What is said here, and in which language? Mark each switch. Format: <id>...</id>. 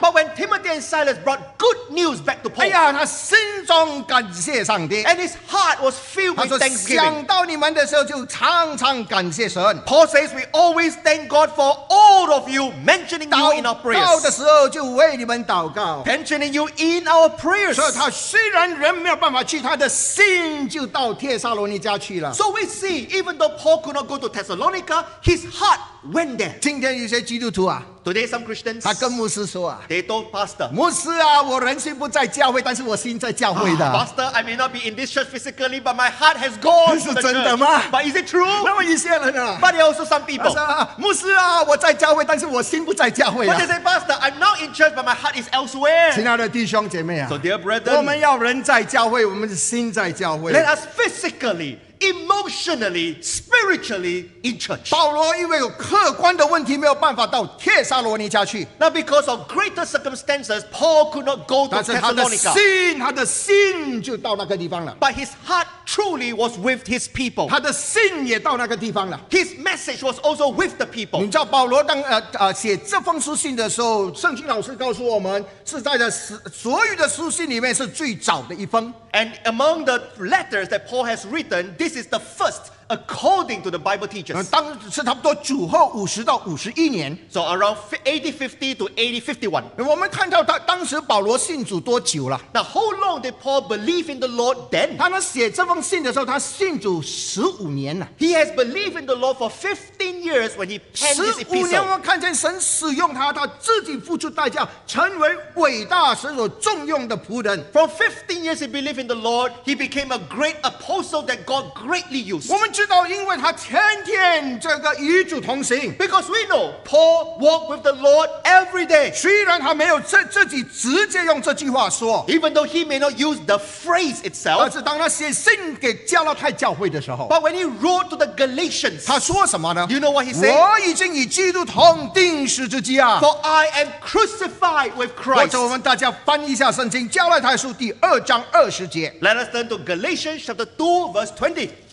<en>but when Timothy and Silas brought good news back to Paul,</en> <zh>哎呀, 他心中感谢上帝,</zh> <en>and his heart was filled with thanksgiving.</en> <zh>想到你们的时候就常常感谢,</zh> <en>Paul says, we always thank God for all of you, mentioning you in our prayers.</en> <zh>祷告的时候就为你们祷告,</zh> <en>mentioning you in our prayers.</en> <zh>所以他虽然人没有办法去, 他的心就到帖撒罗尼迦去了。</zh> <en>So we see, even though Paul could not go to Thessalonica, his heart went there.</en> <zh>今天有些基督徒啊,</zh> <en>today some Christians,</en> <zh>他跟牧师说啊,</zh> <en>they told pastor,</en> <zh>牧师啊, 我人心不在教会, 但是我心在教会。会的。</zh> <en>Pastor, I may not be in this church physically, but my heart has gone to the church.</en> <zh>是真的吗？</zh> <en>But is it true?</en> <zh>那么一些人啊。</zh> <en>But there are also some people.</en> <zh>他说，牧师啊，我在教会，但是我心不在教会啊。</zh> <en>But they say, Pastor, I'm not in church, but my heart is elsewhere.</en> <zh>亲爱的弟兄姐妹啊。</zh> <en>So dear brethren,</en> <zh>我们要人在教会，我们的心在教会。</zh> <en>Let us physically. Emotionally, spiritually in church.</en> <zh>保罗因为有客观的问题，没有办法到帖撒罗尼迦去。</zh> <en>Now because of greater circumstances, Paul could not go to Thessalonica.</en> <zh>但是他的心就到那个地方了。</zh> <en>But his heart truly was with his people.</en> <zh>他的心也到那个地方了。</zh> <en>His message was also with the people.</en> <zh>你知道保罗当写这封书信的时候，圣经老师告诉我们，是在的所有的书信里面是最早的一封。</zh> <en>And among the letters that Paul has written, this is the first, according to the Bible teachers.</en> <zh>当是差不多主后五十到五十一年。</zh> <en>So around AD 50 to AD 51.</en> <zh>我们看到当时保罗信主多久了。</zh> <en>Now how long did Paul believe in the Lord then?</en> <zh>他呢写这封信的时候，他信主十五年了。</zh> <en>He has believed in the Lord for 15 years when he penned this epistle.</en> <zh>十五年我们看见神使用他，他自己付出代价，成为伟大神所重用的仆人。</zh> <en>For 15 years he believed in the Lord, he became a great apostle that God greatly used.</en> <zh>我们知道因为他天天这个与主同行。</zh> <en>Because we know Paul walked with the Lord every day.</en> <zh>虽然他没有自己直接用这句话说。</zh> <en>Even though he may not use the phrase itself.</en> <zh>但是当他写信给加拉太教会的时候。</zh> <en>But when he wrote to the Galatians.</en> <zh>他说什么呢？</zh> <en>You know what he said?</en> <zh>我已经与基督同钉十字架。</zh> <en>For I am crucified with Christ.</en> <zh>或者我们大家翻一下圣经，加拉太书第二章二十节。</zh> <en>Let us turn to Galatians chapter 2 verse 20.</en>